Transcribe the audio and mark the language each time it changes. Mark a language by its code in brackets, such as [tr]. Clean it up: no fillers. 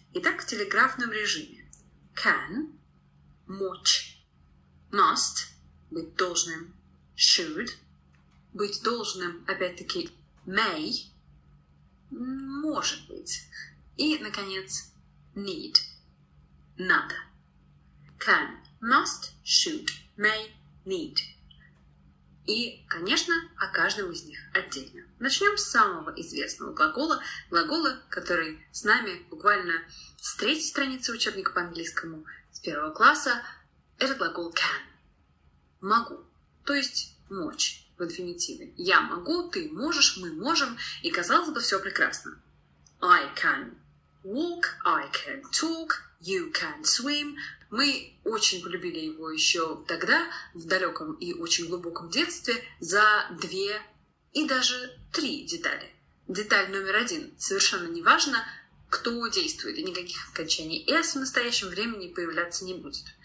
[ru] Итак, в телеграфном режиме. Can, мочь, must, быть должным, should, быть должным, опять-таки, may, может быть. И, наконец, need, надо. [en] Can, must, should, may, need. [ru] И, конечно, о каждом из них отдельно. Начнем с самого известного глагола. Глагола, который с нами буквально с третьей страницы учебника по английскому, с первого класса. Это глагол can. Могу. То есть мочь в инфинитиве. Я могу, ты можешь, мы можем. И, казалось бы, все прекрасно. [en] I can walk, I can talk, you can swim. [ru] Мы очень полюбили его еще тогда, в далеком и очень глубоком детстве, за две и даже три детали. Деталь номер один. Совершенно не важно, кто действует, и никаких окончаний «с» в настоящем времени появляться не будет.